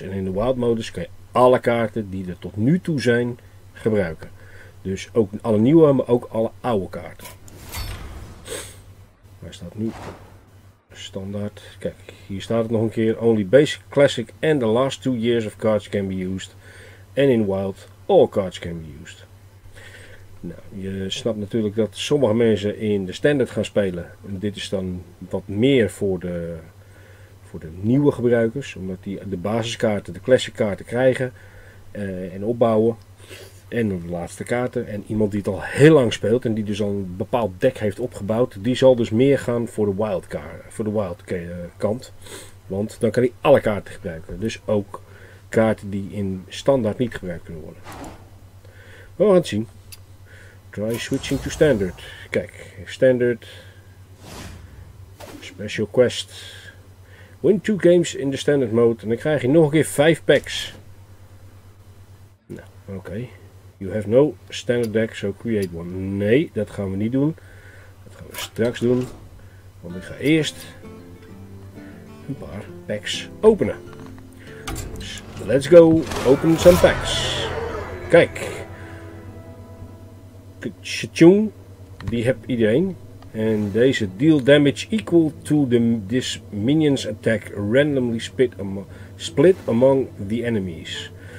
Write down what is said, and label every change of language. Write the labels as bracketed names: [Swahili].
[Dutch] En in de wild modus kan je alle kaarten die er tot nu toe zijn gebruiken. Dus ook alle nieuwe, maar ook alle oude kaarten. Waar staat nu? Standaard. Kijk, hier staat het nog een keer. [English] Only basic, classic and the last 2 years of cards can be used. And in wild, all cards can be used. [Dutch] Nou, je snapt natuurlijk dat sommige mensen in de standaard gaan spelen. En dit is dan wat meer voor de nieuwe gebruikers. Omdat die de basiskaarten, de classic kaarten krijgen en opbouwen. En de laatste kaarten. En iemand die het al heel lang speelt en die dus al een bepaald deck heeft opgebouwd. Die zal dus meer gaan voor de wild kaarten, voor de wild kant. Want dan kan hij alle kaarten gebruiken. Dus ook kaarten die in standaard niet gebruikt kunnen worden. We gaan het zien. [English] Try switching to standard. [Dutch] Kijk, standard. Special quest. [English] Win 2 games in the standard mode. [Dutch] En dan krijg je nog een keer 5 packs. Nou, oké. Okay. [English] You have no standard deck, so create one. [Dutch] Nee, dat gaan we niet doen. Dat gaan we straks doen. Want ik ga eerst een paar packs openen. [English] So let's go open some packs. Kijk. Chichung, [Dutch] die heb iedereen. En deze [English] deal damage equal to this minion's attack randomly split among the enemies.